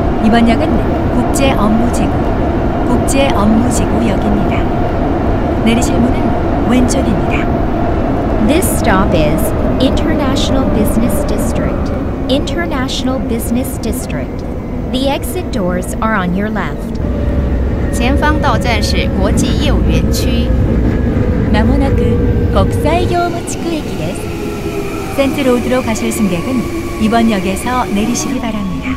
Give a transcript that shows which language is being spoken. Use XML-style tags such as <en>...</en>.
<ko>번역은 국제업무지구, 국제업무지구역입니다. 내리실 문은 왼쪽입니다.</ko> <en>This stop is International Business District. International Business District. The exit doors are on your left.</en> <zh>前方到站是国际业务园区.</zh> <ja>마모나크</ja> <ko>국제업무지구역입니다. 센트로드로 가실 승객은 이번 역에서 내리시기 바랍니다.</ko>